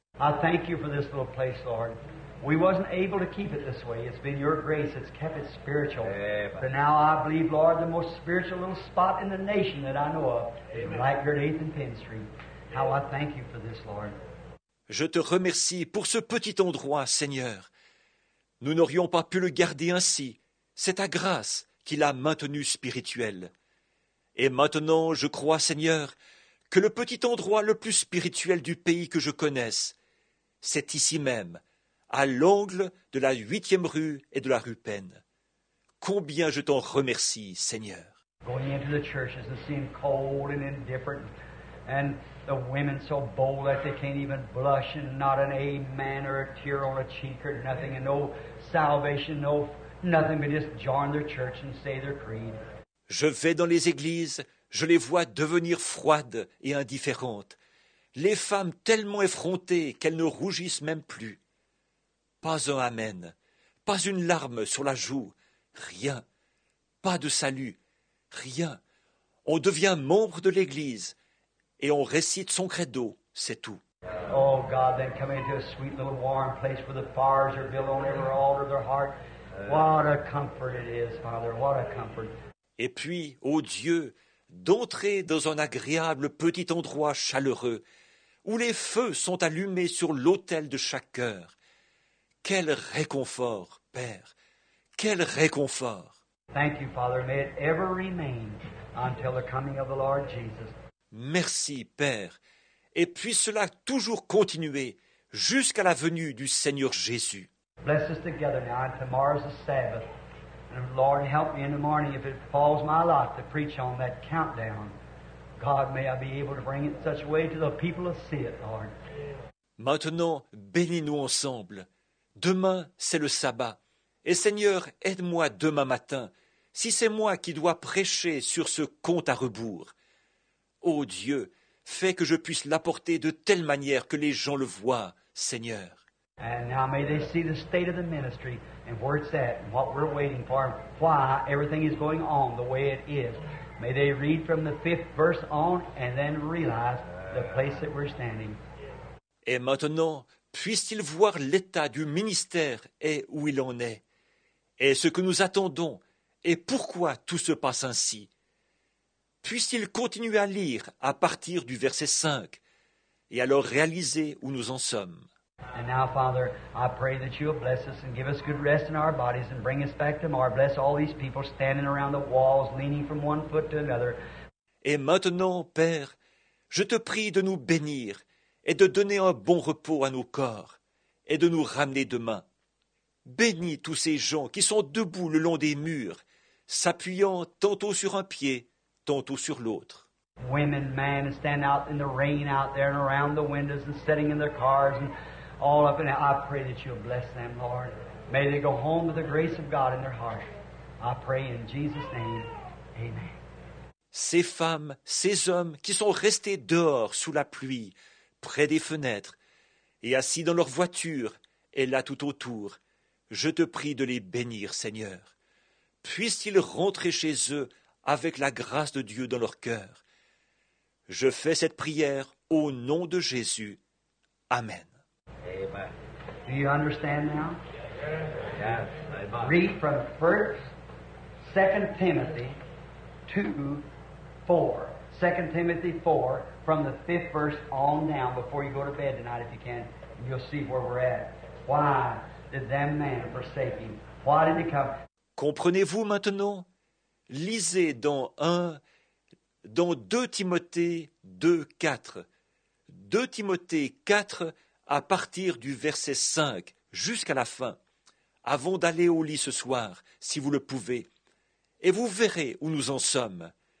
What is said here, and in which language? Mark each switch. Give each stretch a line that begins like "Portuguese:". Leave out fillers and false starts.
English: I thank you for this little place, Lord. We wasn't able to keep it this way. It's been your grace that's kept it spiritual. Amen. But now I believe, Lord, the most spiritual little spot in the nation that I know of, like your Nathan Penn Street. How I thank you for this, Lord.
French: Je te remercie pour ce petit endroit, Seigneur. Nous n'aurions pas pu le garder ainsi. C'est ta grâce qui l'a maintenu spirituel. Et maintenant, je crois, Seigneur, que le petit endroit le plus spirituel du pays que je connaisse, c'est ici même, à l'angle de la 8e rue et de la rue Penn. Combien je t'en remercie, Seigneur.
English: Going into the churches and seeing cold and indifferent, and the women so bold that they can't even blush, and not an amen or a tear on a cheek or nothing, and no salvation, no nothing but just join their church and say their creed.
French: Je vais dans les églises, je les vois devenir froides et indifférentes. Les femmes tellement effrontées qu'elles ne rougissent même plus. Pas un amen, pas une larme sur la joue, rien. Pas de salut, rien. On devient membre de l'Église et on récite son credo, c'est tout.
English: Oh God, then come into a sweet little warm place where the fires are built on every altar of their heart. What a comfort it is, Father, what a comfort.
French: Et puis, ô Dieu, d'entrer dans un agréable petit endroit chaleureux où les feux sont allumés sur l'autel de chaque cœur. Quel réconfort, Père! Quel réconfort!
English: Thank you, Father. May it ever remain until the coming of the Lord Jesus.
French: Merci, Père, et puisse cela toujours continuer jusqu'à la venue du Seigneur Jésus.
English: Bless us together now, and tomorrow's the Sabbath. And Lord, help me in the morning if it falls my lot to preach on that countdown. God, may I be able to bring it in such a way to the people to see it, Lord.
French: Maintenant, bénis-nous ensemble. Demain, c'est le sabbat. Et Seigneur, aide-moi demain matin, si c'est moi qui dois prêcher sur ce compte à rebours. Ô Dieu, fais que je puisse l'apporter de telle manière que les gens le voient, Seigneur.
English: And now may they see the state of the ministry and where it's at and what we're waiting for and why everything is going on the way it is. May they read from the fifth verse on and then realize the place that we're standing.
French: Et maintenant, puissent-ils voir l'état du ministère et où il en est, et ce que nous attendons, et pourquoi tout se passe ainsi. Puissent-ils continuer à lire à partir du verset 5 et alors réaliser où nous en sommes.
English: And now, Father, I pray that you will bless us and give us good rest in our bodies and bring us back tomorrow. Bless all these people standing around the walls, leaning from one foot to another.
French: Et maintenant, Père, je te prie de nous bénir et de donner un bon repos à nos corps et de nous ramener demain. Bénis tous ces gens qui sont debout le long des murs, s'appuyant tantôt sur un pied, tantôt sur l'autre.
English: Women, men, stand out in the rain out there and around the windows and sitting in their cars and all up in it. I pray that you'll bless them, Lord. May they go home with the grace of God in their heart. I pray in Jesus' name. Amen.
French: Ces femmes, ces hommes qui sont restés dehors sous la pluie, près des fenêtres, et assis dans leur voiture, et là tout autour, je te prie de les bénir, Seigneur. Puissent-ils rentrer chez eux avec la grâce de Dieu dans leur cœur. Je fais cette prière au nom de Jésus. Amen.
English: Amen. Do you understand now? Yes. Amen. Read from 2 Timothy 2:4. 2 Timothy 4, from the fifth verse on down, before you go to bed tonight, if you can, and you'll see where we're at. Why did that man forsake him? Why did he come?
French: Comprenez-vous maintenant? Lisez dans 2 Timothée 2:4. 2 Timothée 4. À partir du verset 5 jusqu'à la fin, avant d'aller au lit ce soir, si vous le pouvez, et vous verrez où nous en sommes.